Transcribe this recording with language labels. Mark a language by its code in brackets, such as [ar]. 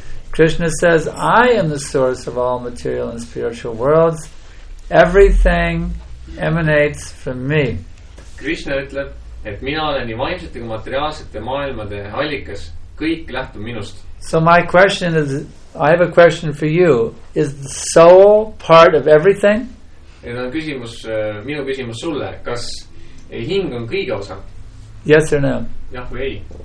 [en] Krishna says, I am the source of all material and spiritual worlds. Everything emanates from me. [et] Krishna ütleb, et mina olen nii vaimsete kui materiaalsete maailmade allikas. Kõik lähtub minust. [en] So my question is, I have a question for you. Is the soul part of everything? [et] Ja on küsimus, minu küsimus sulle. Kas hing on kõige osa? [en] Yes or no? [et] Jah või ei.